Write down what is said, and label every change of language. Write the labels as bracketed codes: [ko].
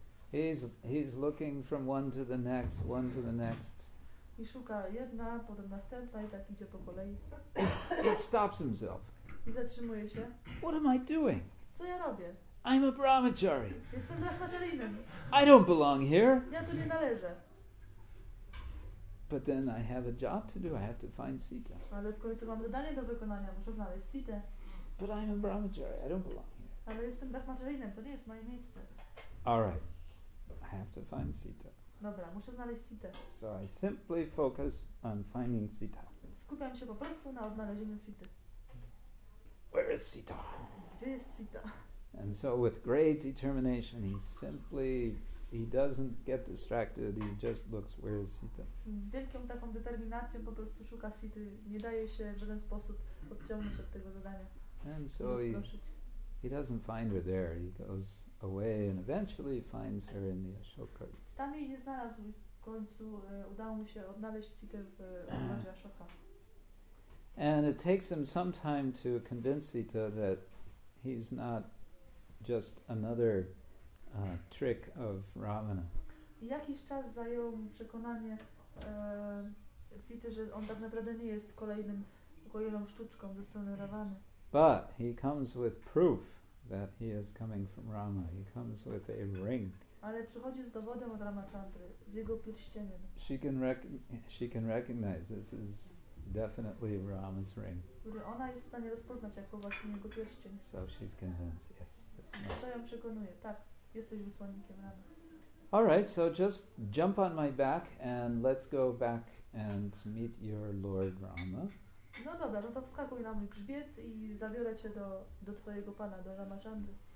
[en] He's looking from one to the next, one to the next. [pl] I szuka jedna, potem następna i tak idzie po kolei. [en] He stops himself. [pl] I zatrzymuje się. [en] What am I doing? [pl] Co ja robię? [en] I'm a brahmachari. [pl] Jestem brahmacharinem. [en] I don't belong here. [pl] Ja tu nie należę. [en] But then I have a job to do. I have to find Sita. [pl] Ale w końcu mam zadanie do wykonania. Muszę znaleźć Sitę. [en] But I'm a brahmachari. I don't belong here. [pl] Ale jestem brahmacharinem. To nie jest moje miejsce. [en] All right. I have to find Sita. [pl] Dobra, muszę znaleźć Sitę. [en] So I simply focus on finding Sita. [pl] Skupiam się po prostu na odnalezieniu Sity. [en] Where is Sita? [pl] Gdzie jest Sita? [en] And so with great determination he simply he doesn't get distracted, he just looks where is Sita. [pl] Z wielką taką determinacją po prostu szuka Sity, nie daje się w żaden sposób odciągnąć od tego zadania. [en] And so he doesn't find her there, he goes away and eventually finds her in the Ashoka. [pl] Tam jej nie znalazł, w końcu udało mu się odnaleźć Sitę w ogrodzie Ashoka. [en] And it takes him some time to convince Sita that he's not just another trick of Ravana. [pl] Jakiś czas zajął mu przekonanie Sity, że on tak naprawdę nie jest kolejną sztuczką ze strony Ravany. [en] But he comes with proof that he is coming from Rama. He comes with a ring. [pl] Ale przychodzi z dowodem od Ramachandry, z jego pierścieniem. [en] She can recognize this is definitely Rama's ring. [pl] Ona jest w stanie rozpoznać jako właśnie jego pierścień. [en] So she's convinced, yes. [pl] To ją przekonuje, tak, jesteś wysłannikiem Rama. [en] All right, so just jump on my back and let's go back and meet your Lord Rama. [pl] No dobra, no to wskakuj na mój grzbiet i zabiorę cię do twojego pana, do Ramachandry.